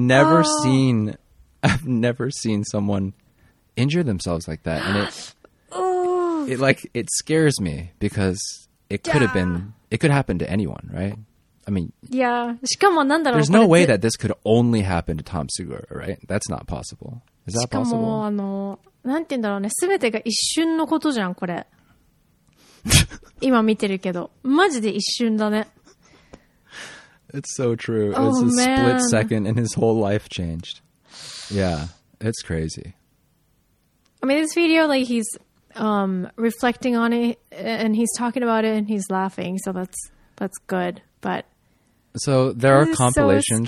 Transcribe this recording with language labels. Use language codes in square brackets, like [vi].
[en] I've never seen someone injure themselves like that. And it scares me because it could have been, it could happen to anyone, right? I mean, yeah. There's no way that this could only happen to Tom Segura, right? That's not possible. Is that possible? [ja] なんて言うんだろうね。全てが一瞬のことじゃん、これ。今見てるけど、マジで一瞬だね。 [en] It's so true. It was a split second and his whole life changed. Yeah, it's crazy. I mean, this video, like, he's reflecting on it and he's talking about it and he's laughing, so that's good. But so there are compilations.